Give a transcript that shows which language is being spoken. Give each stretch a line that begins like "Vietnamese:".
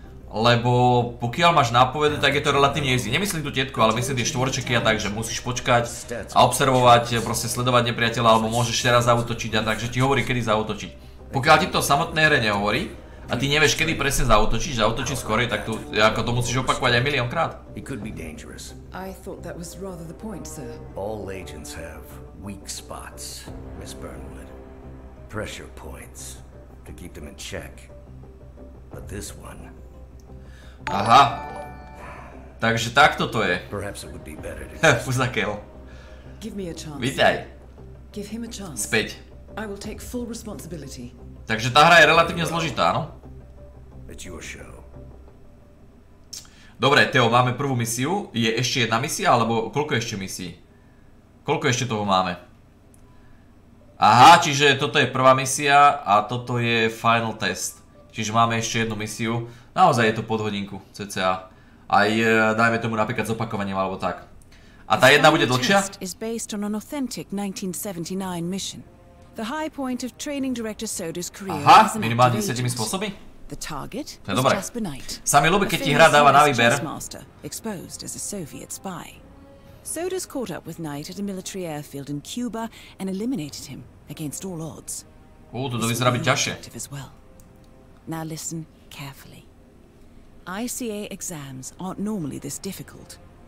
Slovak: Lebo pokiaľ máš nápovedu, tak je to relatívne easy. Nemyslím tu tietku, ale myslím tie štvorčeky a tak, že musíš počkať a observovať, proste sledovať nepriateľa, alebo môžeš teraz zaútočiť a tak, že ti hovorí, kedy zaútočiť. Pokiaľ ti to samotné hre nehovorí a ty nevieš, kedy presne zaútočíš, zaútočíš skorej, tak to musíš opakovať aj miliónkrát.
English: It could be dangerous. I thought that was rather the point, sir. All agents have weak spots, Miss Burnwood. Pressure points to keep them in check. But this one...
Slovak: Aha. Takže takto to je.
English: Perhaps it would be better to... Fuzakel. Give me a chance.
Slovak: Vítaj.
English: Give him a chance.
Slovak: Späť.
English: I will take full responsibility.
Slovak: Takže tá hra je relatívne zložitá, no?
English: It's your show.
Slovak: Dobre, Teo, máme prvú misiu. Je ešte jedna misia, alebo koľko ešte misií? Koľko ešte toho máme? Aha, čiže toto je prvá misia a toto je final test. Čiže máme ešte jednu misiu. Naozaj je to pod hodinku, cca. Aj dajme tomu napríklad zopakovaním, alebo tak. A tá jedna bude dlhšia?
English: Test is based on an authentic 1979 mission. The high point of training director Soda's career.
Slovak: Aha, minimálne 10 spôsoby?
English: The target?
Slovak: To je dobré. Sa mi ľúbi, keď ti hra dáva na výber.
English: Exposed as a Soviet spy. Soda's caught up with Knight at a military airfield in Cuba and eliminated him against all odds.
Slovak: To vyzerá byť ťažšie.
English: Now listen carefully. ICA exams aren't normally this difficult.